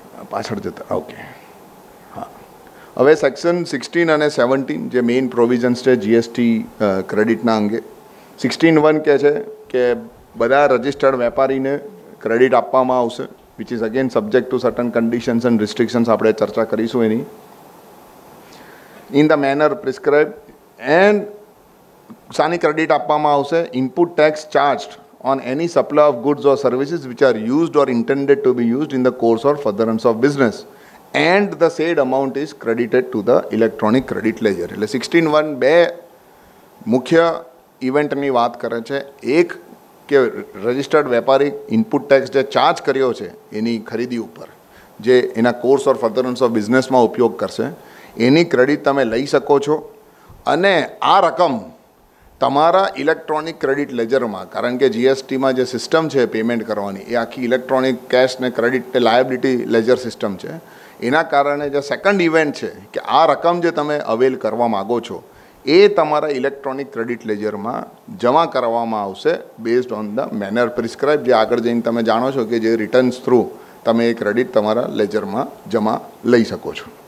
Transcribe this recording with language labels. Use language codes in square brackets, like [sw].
[gu] પાછળ જતા, ઓકે, હા, હવે સેક્શન 16 અને 17 જે મેઇન પ્રોવિઝન્સ છે જીએસટી ક્રેડિટના અંગે, 16(1) કહે છે કે બધા રજિસ્ટર્ડ વેપારીને ક્રેડિટ આપવામાં આવશે [en] which is again subject to certain conditions and restrictions. [gu] Apne charcha karishu eni [en] in the manner prescribed, and [gu] sani credit appama avse, [en] input tax charged on any supply of goods or services which are used or intended to be used in the course or furtherance of business, and the said amount is credited to the electronic credit ledger. [gu] 16.1 બે મુખ્ય ઇવેન્ટની વાત કરે છે. એક કે registered વેપારી input tax જે charge કર્યો છે એની ખરીદી ઉપર, જે એના કોર્સ ઓર ફર્ધરન્સ ઓફ બિઝનેસમાં ઉપયોગ કરશે, એની ક્રેડિટ તમે લઈ શકો છો. અને આ રકમ તમારા ઇલેક્ટ્રોનિક ક્રેડિટ લેજરમાં, કારણ કે જીએસટીમાં જે સિસ્ટમ છે પેમેન્ટ કરવાની એ આખી ઇલેક્ટ્રોનિક કેશ ને ક્રેડિટ ને લાયબિલિટી લેજર સિસ્ટમ છે, એના કારણે જે સેકન્ડ ઇવેન્ટ છે કે આ રકમ જે તમે અવેલ કરવા માગો છો એ તમારા ઇલેક્ટ્રોનિક ક્રેડિટ લેજરમાં જમા કરવામાં આવશે [en] based on the manner prescribe, [gu] જે આગળ જઈને તમે જાણો છો કે જે રિટર્ન્સ થ્રુ તમે એ ક્રેડિટ તમારા લેજરમાં જમા લઈ શકો છો.